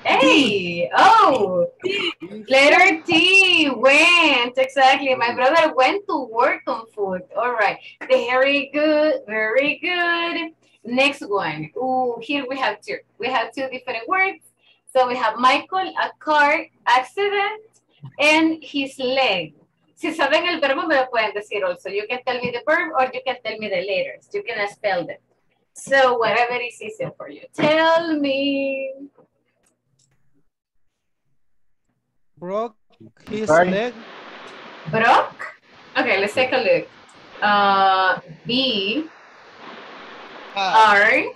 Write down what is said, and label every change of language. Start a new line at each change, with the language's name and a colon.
English: A. Oh. T. Letter T. Went. Exactly. My brother went to work on foot. All right. Very good. Very good. Next one. Ooh, here we have two. We have two different words. So we have Michael, a car accident, and his leg.
Spanish: Si saben el verbo, me lo pueden decir
English: also. You can tell me the verb or you can tell me the letters. You can spell them. So whatever is easier for you. Tell me. Broke his leg. Broke? Okay, let's take a look. B. R.